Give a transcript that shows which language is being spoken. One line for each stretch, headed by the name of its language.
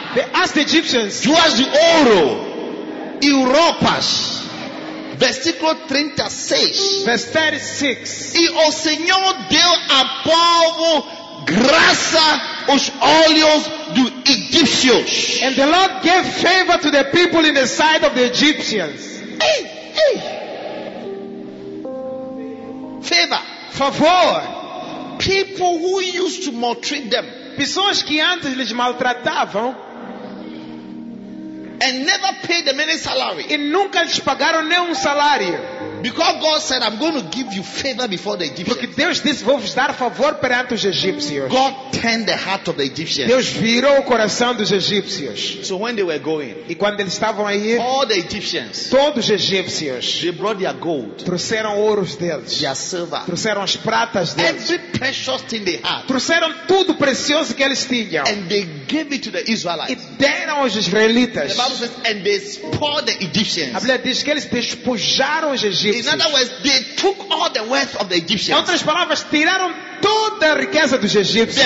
English: They asked the Egyptians,
Portuguese: joias de ouro, Europas. Versículo 36.
English: Verse 36.
Portuguese: E o Senhor deu ao povo graça aos olhos dos egípcios.
English: And the Lord gave favor to the people in the sight of the Egyptians. Hey, favor.
Portuguese: Favor.
English: People who used to maltreat them.
Portuguese: Pessoas que antes lhes maltratavam.
English: And never paid them any salary.
Portuguese: E nunca lhes pagaram nenhum salário.
English: Because God said, I'm going to give you favor before the Egyptians.
Portuguese: Porque Deus disse, vou-vos dar favor perante os egípcios.
English: God turned the heart of the Egyptians.
Portuguese: Deus virou o coração dos egípcios.
English: So when they were going,
Portuguese: e quando eles estavam aí,
English: all the Egyptians,
Portuguese: todos os egípcios,
English: they brought their gold,
Portuguese: trouxeram ouros deles,
English: their silver,
Portuguese: trouxeram as pratas deles,
English: every precious thing they had,
Portuguese: trouxeram tudo precioso que eles tinham,
English: and they gave it to the Israelites.
Portuguese: E deram aos israelitas.
English: The Bible says, and they spoiled the Egyptians.
Portuguese: A Bíblia diz que eles despojaram os egípcios.
English: In other words, they took all the wealth of the Egyptians.
Portuguese: Em outras palavras, tiraram toda a riqueza dos egípcios.